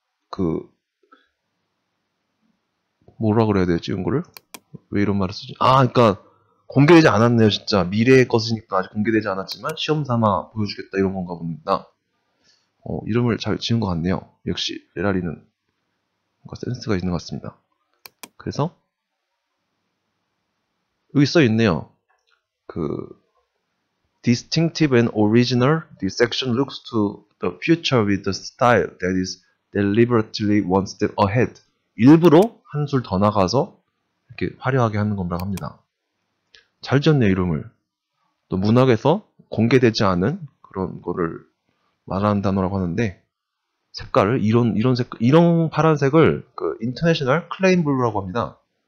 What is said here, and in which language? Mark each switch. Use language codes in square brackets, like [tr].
[ko] 그, 뭐라 그래야 되지, 이런 거를? 왜 이런 말을 쓰지? 아, 그러니까, 공개되지 않았네요, 진짜. 미래의 것이니까 아직 공개되지 않았지만, 시험 삼아 보여주겠다, 이런 건가 봅니다. 이름을 잘 지은 것 같네요. 역시, 에라리는 뭔가 센스가 있는 것 같습니다. 그래서, 여기 써 있네요. [en] 그, distinctive and original, this section looks to the future with the style that is deliberately one step ahead. [ko] 일부러 한술더 나가서 이렇게 화려하게 하는 건가 합니다. 잘 지었네요, 이름을. 또 문학에서 공개되지 않은 그런 거를 말하는 단어라고 하는데, 색깔을, 이런 색, 이런 파란색을 그 international claim blue라고 합니다.